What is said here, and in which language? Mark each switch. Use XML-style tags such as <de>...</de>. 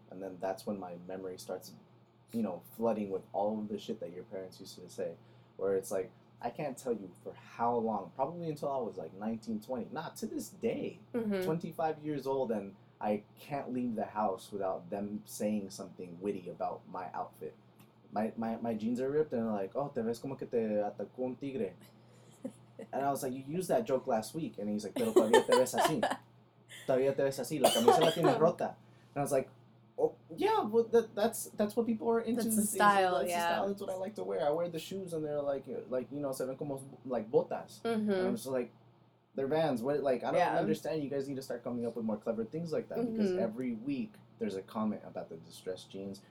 <en>And then that's when my memory starts, you know, flooding with all of the shit that your parents used to say, where it's like, I can't tell you for how long, probably until I was like 19, 20, not to this day, mm-hmm. 25 years old, and I can't leave the house without them saying something witty about my outfit. My jeans are ripped, and they're like, oh,</en> <es>te ves como que te atacó un tigre.</es> <en>And I was like, you used that joke last week. And he's like,</en> <es>pero todavía te ves así. Todavía te ves así. La camisa la tienes rota.</es> <en>And I was like, oh, yeah, well, that's what people are into. That's the things. Style, that's yeah. The style. That's what I like to wear. I wear the shoes, and they're like you know,</en> <es>se ven como like botas.</es> <en>Mm-hmm. And I'm just like, they're Vans. What, like, I don't understand. You guys need to start coming up with more clever things like that. Mm-hmm. Because every week, there's a comment about the distressed jeans.</en>